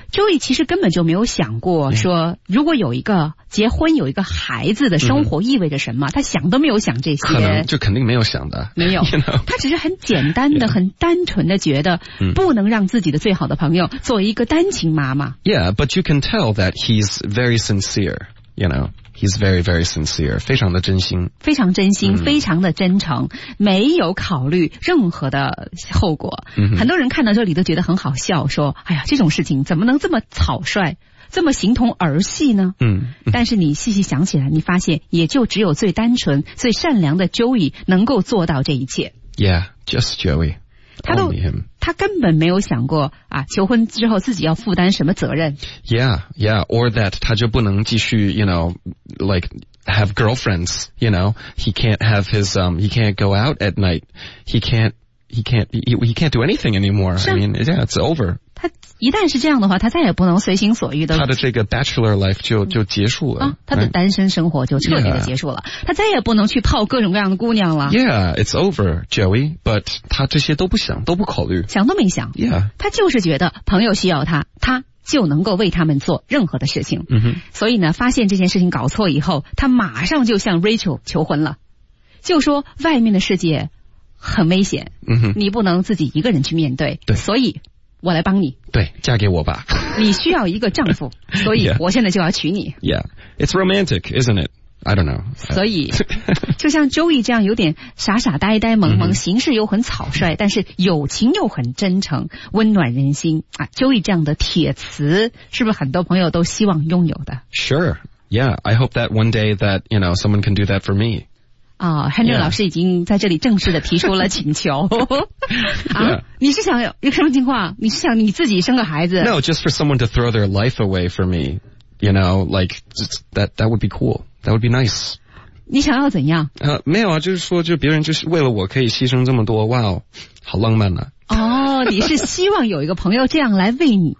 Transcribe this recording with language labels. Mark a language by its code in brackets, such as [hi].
[zh] Joey 其实根本就没有想过说，如果有一个结婚、有一个孩子的生活意味着什么， [en] mm-hmm. [zh] 他想都没有想这些，可能就肯定没有想的，没有。 [en] You know? [zh] 他只是很简单的、 [en] yeah. [zh] 很单纯的觉得，不能让自己的最好的朋友做一个单亲妈妈。 [en] Yeah, but you can tell that he's very sincere, you know. He's very, very sincere, [zh] 非常的真心。非常真心、 [en] mm-hmm. [zh] 非常的真诚，没有考虑任何的后果。 [en] Mm-hmm. [zh] 很多人看到这里都觉得很好笑，说哎呀这种事情怎么能这么草率，这么形同儿戏呢？嗯、 [en] mm-hmm. [zh] 但是你细细想起来，你发现也就只有最单纯最善良的 Joey 能够做到这一切。 [en] Yeah, just Joey. [zh] 他根本没有想过啊求婚之后自己要负担什么责任。 [en] Yeah, yeah, or that [zh] 他就不能继续 [en] you know,like have girlfriends, you know, he can't have his, he can't go out at night, he can't do anything anymore, I mean, yeah, it's over. [zh] 他一旦是这样的话，他再也不能随心所欲的，他的这个 [en] bachelor life [zh] 就结束了、啊、他的单身生活就彻底的结束了、 [en] yeah. [zh] 他再也不能去泡各种各样的姑娘了。 [en] Yeah, it's over, Joey, but [zh] 他这些都不想，都不考虑，想都没想。 [en] Yeah, [zh] 他就是觉得朋友需要他，他就能够为他们做任何的事情、 [en] mm-hmm. [zh] 所以呢发现这件事情搞错以后，他马上就向 Rachel 求婚了，就说外面的世界很危险、 mm-hmm. 你不能自己一个人去面对，对，所以我来帮你，对，嫁给我吧，你需要一个丈夫，所以我现在就要娶你。 [en] Yeah, it's romantic, isn't it? I don't know. [zh] 所以就像 Joey 这样有点傻傻呆呆萌萌、 [en] mm-hmm. [zh] 形式又很草率，但是友情又很真诚，温暖人心啊。 Joey 这样的铁磁是不是很多朋友都希望拥有的？ [en] Sure, yeah, I hope that one day that, you know, someone can do that for me. [zh] 啊、哦、Henry、 [en] yeah. [zh] 老师已经在这里正式的提出了请求。 [en] 啊、yeah. [zh] 你是想有什么情况？你是想你自己生个孩子？ [en] No, just for someone to throw their life away for me, you know, like, that would be cool. That would be nice. [zh] 你想要怎样？没有啊，就是说，就别人就是为了我可以牺牲这么多，哇哦，好浪漫啊。哦，你是希望有一个朋友这样来为你